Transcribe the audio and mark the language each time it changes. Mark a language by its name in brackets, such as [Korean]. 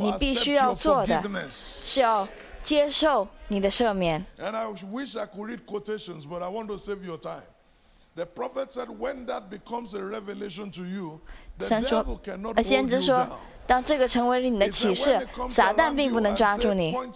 [Chinese] 你必须要做的是要接受你的赦免。 [English] And I wish I could read quotations, but I want to save your time. The prophet said, "When that becomes a revelation to you, the devil cannot hold you down." [Chinese] 当这个成为你的启示，撒旦并不能抓住你。